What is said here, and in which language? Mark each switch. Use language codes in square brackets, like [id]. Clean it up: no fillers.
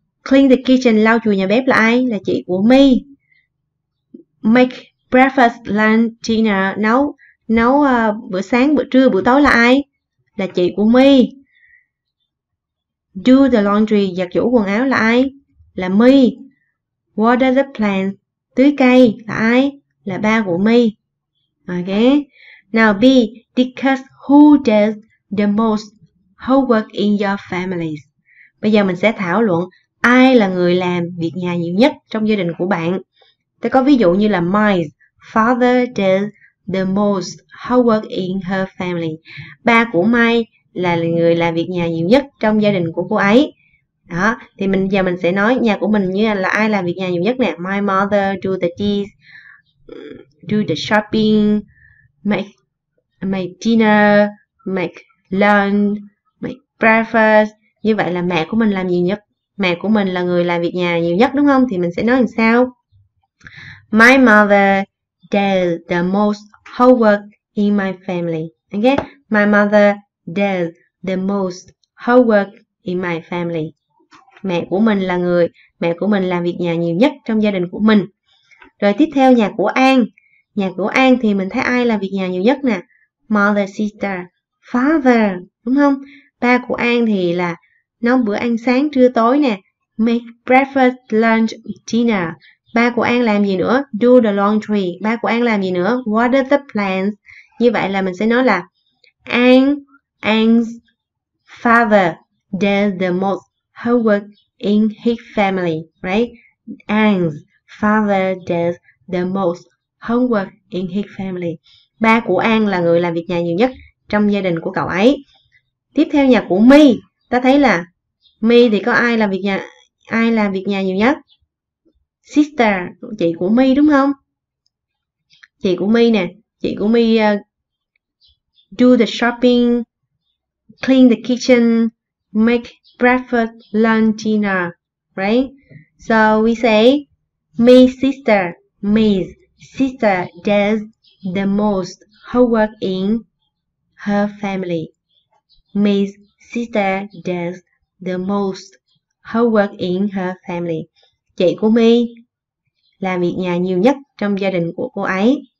[en] Clean the kitchen, [vi] lau chùi nhà bếp là ai? Là chị của My. [en] Make breakfast, lunch, dinner, [vi] nấu bữa sáng, bữa trưa, bữa tối là ai? Là chị của My. [en] Do the laundry, [vi] giặt giũ quần áo là ai? Là My. [en] Water the plants, [vi] tưới cây là ai? Là ba của My. Ok. [en] Now B, discuss who does the most housework in your families. [vi] Bây giờ mình sẽ thảo luận ai là người làm việc nhà nhiều nhất trong gia đình của bạn. Ta có ví dụ như là [en] my father does the most housework in her family. [vi] Ba của Mai là người làm việc nhà nhiều nhất trong gia đình của cô ấy. Đó, thì giờ mình sẽ nói nhà của mình như là ai làm việc nhà nhiều nhất nè. [en] My mother do the shopping, make dinner, make lunch, make breakfast. [vi] Như vậy là mẹ của mình làm nhiều nhất. Mẹ của mình là người làm việc nhà nhiều nhất đúng không? Thì mình sẽ nói làm sao? [en] My mother does the most housework in my family. Okay? My mother does the most housework in my family. [vi] Mẹ của mình làm việc nhà nhiều nhất trong gia đình của mình. Rồi tiếp theo nhà của An. Nhà của An thì mình thấy ai làm việc nhà nhiều nhất nè? [en] Mother, sister, father, [vi] đúng không? Ba của An thì là nấu bữa ăn sáng, trưa tối nè. [en] Make breakfast, lunch, dinner. [vi] Ba của An làm gì nữa? [en] Do the laundry. [vi] Ba của An làm gì nữa? [en] Water the plants. [vi] Như vậy là mình sẽ nói là [en] Ang's father does the most housework in his family, right? Ang's father does the most housework in his family. [vi] Ba của An là người làm việc nhà nhiều nhất trong gia đình của cậu ấy. Tiếp theo nhà của Mi, ta thấy là Mi thì có ai làm việc nhà, ai làm việc nhà nhiều nhất? Sister, chị của Mi đúng không? Chị của Mi nè, chị của Mi [en] do the shopping, clean the kitchen, make breakfast, lunch, dinner, right? So we say Mi's sister, Mi's sister does the most homework in her family. Mi's sister does the most homework in her family. [vi] Chị của Mi làm việc nhà nhiều nhất trong gia đình của cô ấy.